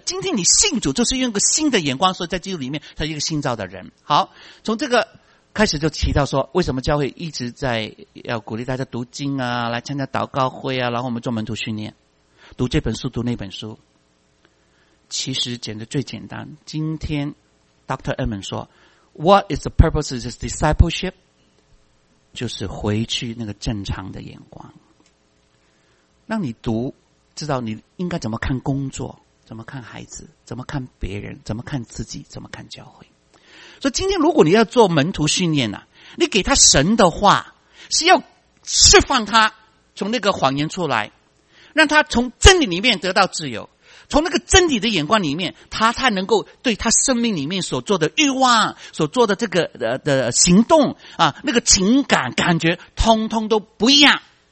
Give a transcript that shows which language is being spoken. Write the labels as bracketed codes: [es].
[zh] 今天你信主就是用个新的眼光，所以在基督里面他是一个新造的人。好，从这个开始就提到说，为什么教会一直在要鼓励大家读经啊，来参加祷告会啊，然后我们做门徒训练，读这本书读那本书，其实简直最简单。今天 Dr. [en] Edmund [zh] 说， [en] What is the purpose of this discipleship？ [zh] 就是回去那个正常的眼光，让你读，知道你应该怎么看工作，怎么看孩子，怎么看别人，怎么看自己，怎么看教会。所以今天如果你要做门徒训练啊，你给他神的话，是要释放他从那个谎言出来，让他从真理里面得到自由，从那个真理的眼光里面，他才能够对他生命里面所做的欲望，所做的这个的行动啊，那个情感感觉通通都不一样。